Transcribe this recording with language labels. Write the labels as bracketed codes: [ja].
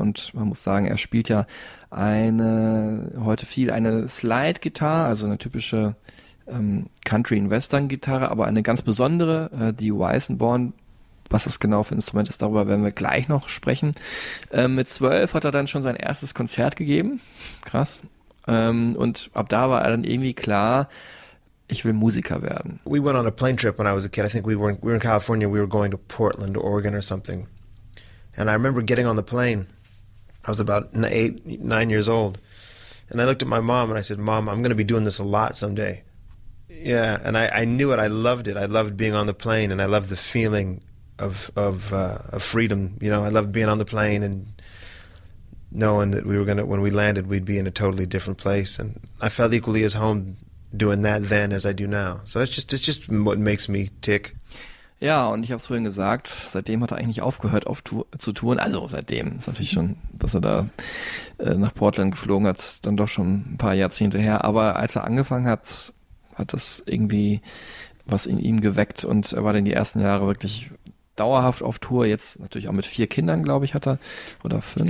[de] Und man muss sagen, er spielt ja eine Slide-Gitarre, also eine typische Country- und Western-Gitarre, aber eine ganz besondere, die Weissenborn. Was das genau für ein Instrument ist, darüber werden wir gleich noch sprechen. Mit 12 hat er dann schon sein erstes Konzert gegeben. Krass. Und ab da war er dann irgendwie klar, ich will Musiker werden. [en] We went on a plane trip when I was a kid. I think we were in California. We were going to Portland, Oregon or something. And I remember getting on the plane. I was about 8, 9 years old. And I looked at my mom and I said, Mom, I'm going to be doing this a lot someday. Yeah, and I knew it. I loved it. I loved being on the plane and I loved the feeling of freedom. You know, I loved being on the plane and knowing that when we landed, we'd be in a totally different place. And I felt equally as home doing that then as I do now. So it's just what makes me tick. [de] Ja, und ich habe es vorhin gesagt, seitdem hat er eigentlich nicht aufgehört zu touren. Also seitdem ist natürlich schon, dass er da nach Portland geflogen hat, dann doch schon ein paar Jahrzehnte her. Aber als er angefangen hat, hat das irgendwie was in ihm geweckt und er war dann die ersten Jahre wirklich dauerhaft auf Tour, jetzt natürlich auch mit 4 Kindern, glaube ich, hat er, oder 5.